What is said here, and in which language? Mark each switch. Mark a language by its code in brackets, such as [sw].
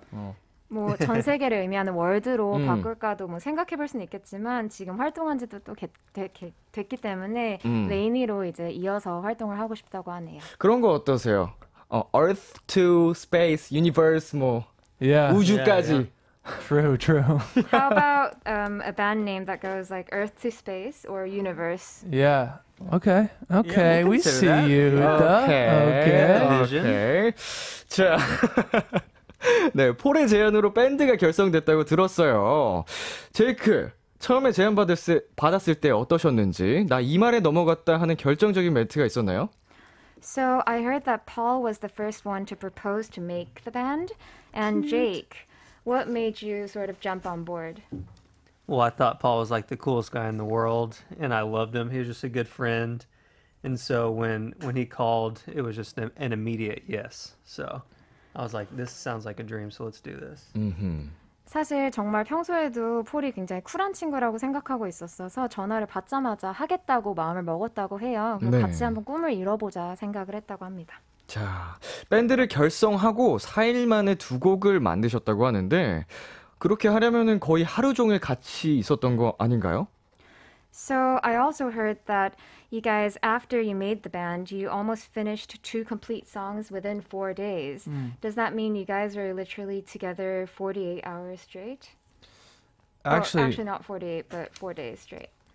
[ko] Oh. 뭐 전 세계를 의미하는 월드로 바꿀까도 뭐 생각해 볼 수는 있겠지만 지금 활동한 지도 또 됐기 때문에 레이니로 이제 이어서 활동을 하고 싶다고 하네요. 그런 거 어떠세요? [en] Earth to space, universe [ko] 뭐 [en] yeah. [ko] 우주까지. Yeah, yeah. [en] True, true. How about a band name that goes like Earth to Space or Universe? Yeah. Okay. Okay. Yeah, we see that. You. Okay. Okay. okay. [ko] 자, 네 폴의 제안으로 밴드가 결성됐다고 들었어요. 제이크, 처음에 제안 받았을 때 어떠셨는지 나 이 말에 넘어갔다 하는 결정적인 멘트가 있었나요? [en] So I heard that Paul was the first one to propose to make the band, and Jake. What made you sort of jump on board? Well, I thought Paul was like the coolest guy in the world, and I loved him. He was just a good friend. And so when he called, it was just an immediate yes. So I was like, this sounds like a dream, so let's do this. Mm-hmm. [ko] 사실 정말 평소에도 폴이 굉장히 쿨한 친구라고 생각하고 있었어서 전화를 받자마자 하겠다고 마음을 먹었다고 해요. 그럼 네. 같이 한번 꿈을 이뤄보자 생각을 했다고 합니다. 자, 밴드를 결성하고 4일 만에 두 곡을 만드셨다고 하는데 그렇게 하려면은 거의 하루 종일 같이 있었던 거 아닌가요? [en] So I also heard that you guys, after you made the band, you almost finished two complete songs within 4 days. Does that mean you guys are literally together 48 hours straight? Actually not 48, but 4 days straight.